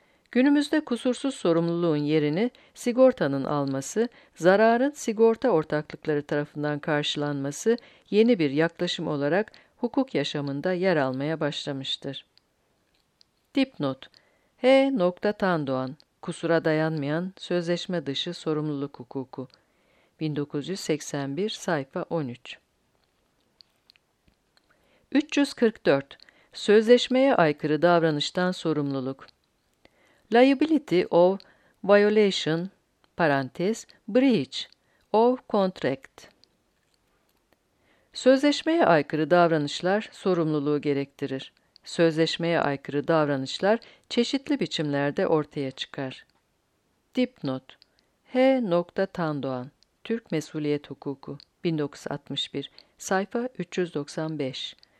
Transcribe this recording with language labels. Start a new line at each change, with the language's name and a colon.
Turkish: Günümüzde kusursuz sorumluluğun yerini sigortanın alması, zararın sigorta ortaklıkları tarafından karşılanması yeni bir yaklaşım olarak hukuk yaşamında yer almaya başlamıştır. Dipnot. H. Tandoğan. Kusura dayanmayan sözleşme dışı sorumluluk hukuku. 1981 sayfa 13. 344. Sözleşmeye aykırı davranıştan sorumluluk.
English: Liability of violation,
Turkish: parantez,
English: breach of contract.
Turkish: Sözleşmeye aykırı davranışlar sorumluluğu gerektirir. Sözleşmeye aykırı davranışlar çeşitli biçimlerde ortaya çıkar. Dipnot. H. Tandoğan, Türk Mesuliyet Hukuku, 1961, sayfa 395.